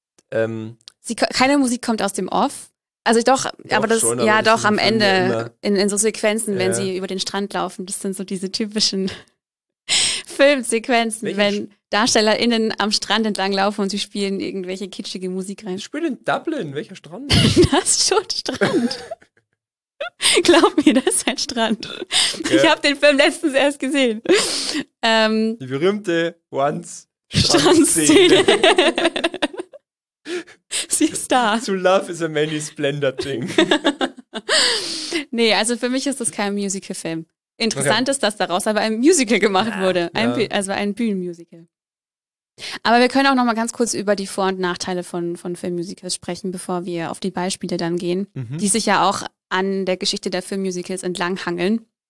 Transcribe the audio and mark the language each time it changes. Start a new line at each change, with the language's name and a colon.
German: keine Musik kommt aus dem Off. Also doch, am Ende, in so Sequenzen, wenn sie über den Strand laufen, das sind so diese typischen Filmsequenzen, wenn DarstellerInnen am Strand entlang laufen und sie spielen irgendwelche kitschige Musik rein. Spielen in Dublin, welcher Strand? Das ist schon Strand. Glaub mir, das ist ein Strand. Ja. Ich habe den Film letztens erst gesehen. Die berühmte Once-Strand-Szene. Sie ist da.
English: To love is a many splendor thing.
German: Nee, also für mich ist das kein Musical-Film. Interessant ist, dass daraus aber ein Musical gemacht wurde. Ein Bühnenmusical. Aber wir können auch noch mal ganz kurz über die Vor- und Nachteile von Filmmusicals sprechen, bevor wir auf die Beispiele dann gehen, die sich ja auch an der Geschichte der Filmmusicals entlang hangeln.